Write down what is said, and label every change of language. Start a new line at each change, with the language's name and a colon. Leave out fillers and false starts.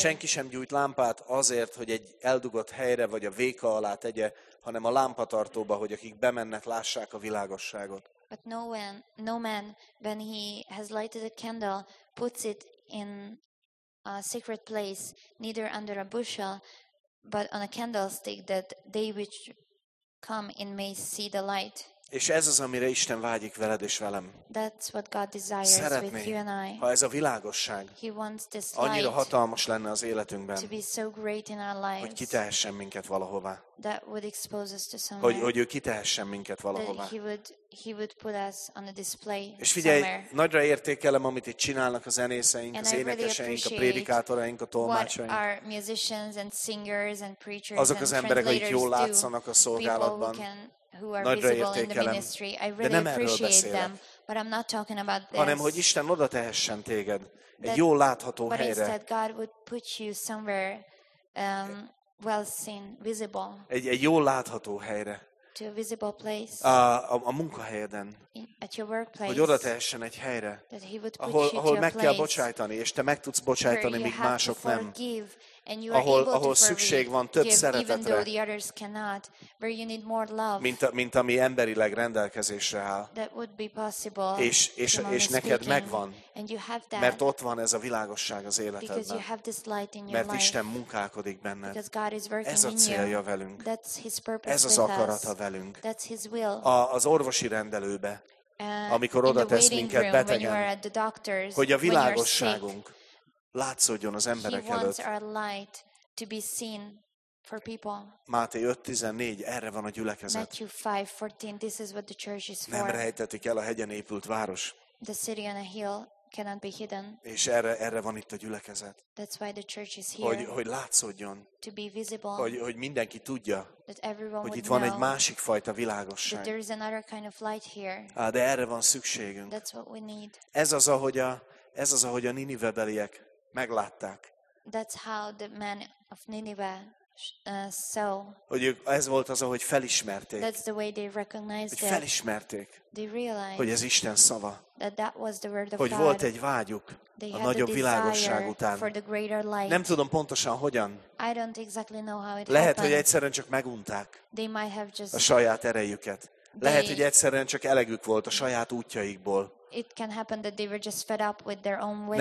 Hungarian: Senki sem gyújt lámpát azért, hogy egy eldugott helyre vagy a véka alá tegye, hanem a lámpatartóba, hogy akik bemennek, lássák a világosságot.
English: But no man, when he has lighted a candle, puts it in a secret place, neither under a bushel, but on a candlestick, that they which come in may see the light.
Hungarian: És ez az, amire Isten vágyik veled és velem.
English: That's what God desires.
Hungarian: Szeretné,
English: with you and I.
Hungarian: Ha ez a világosság
English: he wants this
Hungarian: annyira
English: light
Hungarian: hatalmas lenne az életünkben,
English: to be so great in our lives,
Hungarian: hogy kitehessen minket valahová.
English: That would expose us to somewhere.
Hungarian: Hogy ő kitehessen minket valahová.
English: That he would put us on a display.
Hungarian: És figyelj,
English: somewhere.
Hungarian: Nagyra értékelem, amit itt csinálnak a zenészeink,
English: and
Hungarian: az énekeseink, a prédikátoraink, a tolmácsaink.
English: What our musicians and singers and preachers
Hungarian: azok az emberek, akik jól látszanak a szolgálatban.
English: Who are
Hungarian: nagyra
English: visible
Hungarian: értékelem
English: in the ministry. I really appreciate them, but I'm not talking about this.
Hungarian: Hanem, hogy Isten oda tehessen téged egy jól látható helyre.
English: But instead God would put you somewhere well seen, visible.
Hungarian: Egy jól látható helyre.
English: To a visible place.
Hungarian: A munkahelyeden.
English: At your workplace.
Hungarian: Hogy oda tehessen egy helyre.
English: That he would put
Hungarian: ahol,
English: you
Hungarian: ahol
English: to
Hungarian: meg
English: a
Hungarian: kell
English: place,
Hungarian: bocsájtani, és te meg tudsz bocsájtani, míg mások nem.
English: Forgive. And you
Hungarian: ahol,
English: are able
Hungarian: ahol
English: to forgive,
Hungarian: szükség van több
English: give,
Hungarian: szeretetre,
English: even though the others cannot, where you need more love,
Hungarian: mint ami emberileg rendelkezésre áll.
English: That would be possible,
Hungarian: és neked megvan,
English: and you have that,
Hungarian: mert ott van ez a világosság az életedben,
English: because you have this light in your
Hungarian: mert
English: life,
Hungarian: Isten munkálkodik benned.
English: Because God is working
Hungarian: ez a célja velünk.
English: That's his purpose,
Hungarian: ez az akarata velünk.
English: That's his will.
Hungarian: Az orvosi rendelőbe, amikor oda tesz minket betegen, hogy a világosságunk látszódjon az emberek előtt.
English: He wants our light to be seen for people.
Hungarian: Máté 5:14, erre van a gyülekezet.
English: Matthew 5:14, this is what the church is for.
Hungarian: Nem rejtetik el a hegyen épült város.
English: The city on a hill cannot be hidden.
Hungarian: És erre van itt a gyülekezet.
English: That's why the church is here.
Hungarian: Hogy látszódjon.
English: To be visible.
Hungarian: Hogy mindenki tudja.
English: That everyone
Hungarian: hogy itt van egy másik fajta világosság.
English: That there is another kind of light here.
Hungarian: De erre van szükségünk.
English: That's what we need.
Hungarian: Ez az, ahogy a Ninive beliek meglátták.
English: That's how the men of Nineveh saw.
Hungarian: Hogy ez volt az, ahogy felismerték.
English: That's the way they recognized it.
Hungarian: Felismerték.
English: They realized.
Hungarian: Hogy ez Isten szava.
English: That was the word of God.
Hungarian: Hogy volt egy vágyuk a nagyobb világosság után.
English: For the greater light.
Hungarian: Nem tudom pontosan hogyan.
English: I don't exactly know how it happened.
Hungarian: Lehet, hogy egyszerűen csak megunták.
English: They might have just
Hungarian: a saját erejüket. Lehet, hogy egyszerűen csak elegük volt a saját útjaikból.
English: It can happen that they were just fed up with their own ways.